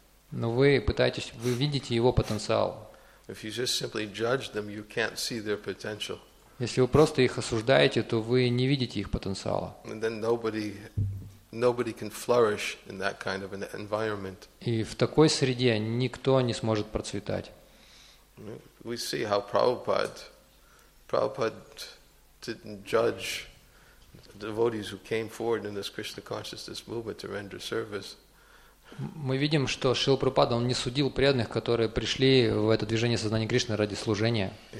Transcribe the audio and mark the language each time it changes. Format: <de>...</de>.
<ru>Но вы видите его потенциал.</ru> <en>If you just simply judge them, you can't see their potential.</en> <ru>Если вы просто их осуждаете, то вы не видите их потенциала.</ru> <en>And then nobody can flourish in that kind of an environment.</en> <ru>И в такой среде никто не сможет процветать.</ru> <en>We see how Prabhupada didn't judge devotees who came forward in this Krishna consciousness movement to render service.</en> <ru>Мы видим, что Шрила Прабхупада, он не судил преданных, которые пришли в это движение сознания Кришны ради служения.</ru>